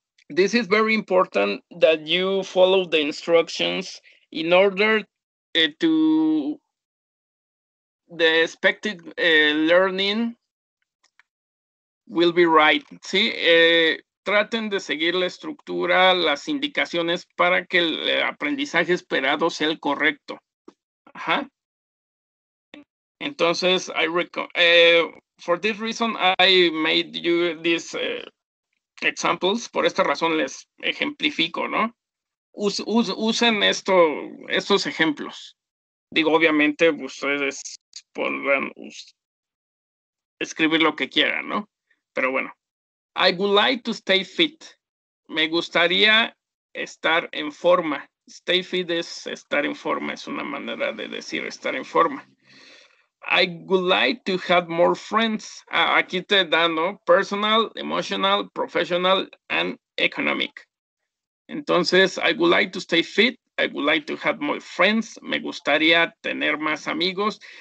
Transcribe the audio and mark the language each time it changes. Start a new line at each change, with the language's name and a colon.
English: This is very important that you follow the instructions in order to the expected learning will be right.
Spanish: ¿Sí? Traten de seguir la estructura, las indicaciones para que el aprendizaje esperado sea el correcto.
English: Ajá. Entonces, I for this reason, I made you this examples,
Spanish: por esta razón les ejemplifico, ¿no? Usen estos ejemplos. Digo, obviamente, ustedes podrán escribir lo que quieran, ¿no? Pero bueno.
English: I would like to stay fit.
Spanish: Me gustaría estar en forma. Stay fit es estar en forma, es una manera de decir estar en forma.
English: I would like to have more friends.
Spanish: Aquí te dan, ¿no?
English: Personal, emotional, professional, and economic. Entonces, I would like to stay fit. I would like to have more friends.
Spanish: Me gustaría tener más amigos.